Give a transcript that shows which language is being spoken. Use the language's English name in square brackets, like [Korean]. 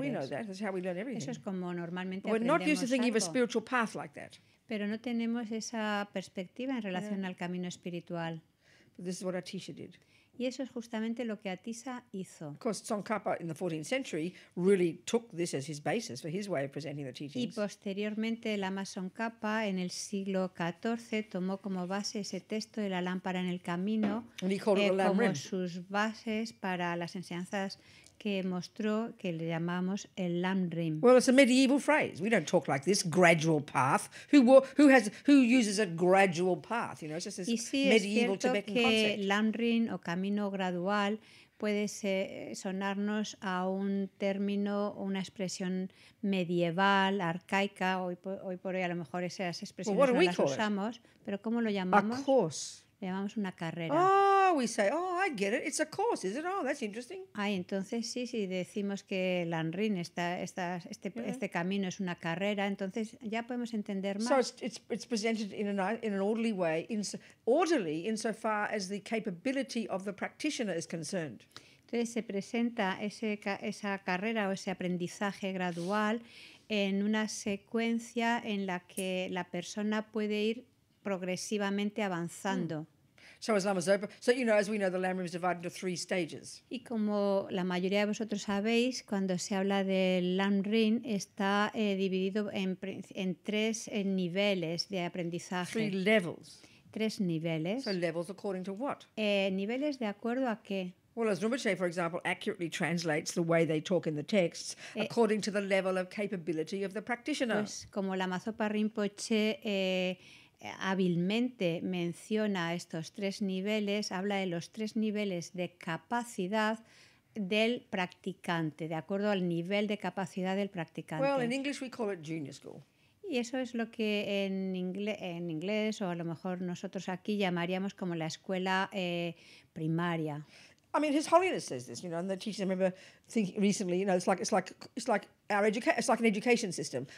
[English] We know that. That's how we learn everything. [Spanish] Eso es como normalmente [English] we're [Spanish] aprendemos [English] not used to Thinking of a spiritual path like that. [Spanish] Pero no tenemos esa perspectiva en relación al camino espiritual. [English] But this is what Atisha did. [Spanish] Y eso es justamente lo que Atisha hizo. [English] Of course, Tsongkhapa in the 14th century really took this as his basis for his way of presenting the teachings. [Spanish] Y posteriormente Lama Tsongkhapa en el siglo XIV tomó como base ese texto de la lámpara en el camino como sus bases para las enseñanzas que mostró que le llamamos el Lam Rim. [English] Well, it's a medieval phrase. We don't talk like this. Gradual path. Who uses a gradual path? You know, it's just this [Spanish] sí, [English] medieval [Spanish] es cierto [English] Tibetan [Spanish] que [English] concept. [Spanish] Lam Rim o camino gradual puede sonarnos a un término, una expresión medieval, arcaica. Hoy por hoy a lo mejor esas expresiones [English] well, [Spanish] no las usamos. [English] It? [Spanish] Pero ¿cómo lo llamamos? [English] A course. [Spanish] Le llamamos una carrera. [English] Oh, we say, oh, I get it. It's a course, is it? Oh, that's interesting. [Spanish] Ay, entonces sí, decimos que Lam Rim, este camino es una carrera, entonces ya podemos entender más. [English] So it's presented in an orderly way, insofar as the capability of the practitioner is concerned. [Spanish] Entonces se presenta esa carrera o ese aprendizaje gradual en una secuencia en la que la persona puede ir progresivamente avanzando. [English] So as lamas open, so you know, as we know, the lamb room is divided into three stages. [Spanish] Y como la mayoría de vosotros sabéis, cuando se habla del lamb room está dividido en tres niveles de aprendizaje. [English] Three levels. [Spanish] Tres niveles. [English] So levels according to what? [Spanish] Niveles de acuerdo a qué? [English] Well, as Rinpoche, for example, accurately translates the way they talk in the texts according to the level of capability of the practitioner. [Spanish] Pues como la Mazopa Rinpoche hábilmente menciona estos tres niveles, habla de los tres niveles de capacidad del practicante, de acuerdo al nivel de capacidad del practicante. [English] Well, in English we call it junior school. [Spanish] Y eso es lo que en inglés o a lo mejor nosotros aquí llamaríamos como la escuela primaria. [English] I mean, His Holiness says this, you know, and the teachers, I remember thinking recently, you know, it's like our education, it's like an education system.